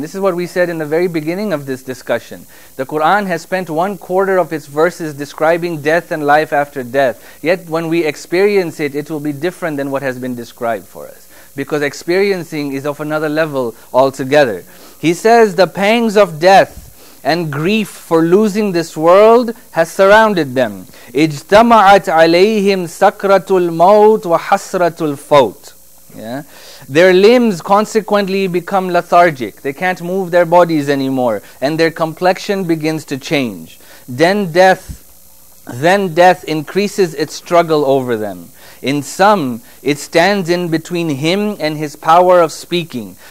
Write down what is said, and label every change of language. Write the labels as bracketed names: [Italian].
[English] This is what we said in the very beginning of this discussion. The Quran has spent one quarter of its verses describing death and life after death. Yet when we experience it, it will be different than what has been described for us. Because experiencing is of another level altogether. He says the pangs of death and grief for losing this world has surrounded them. [Arabic] اجتمعت عليهم سكرة الموت وحسرة الفوت. [English] Yeah. Their limbs consequently become lethargic. They can't move their bodies anymore. And their complexion begins to change. Then death Then death increases its struggle over them. In some, it stands in between him and his power of speaking.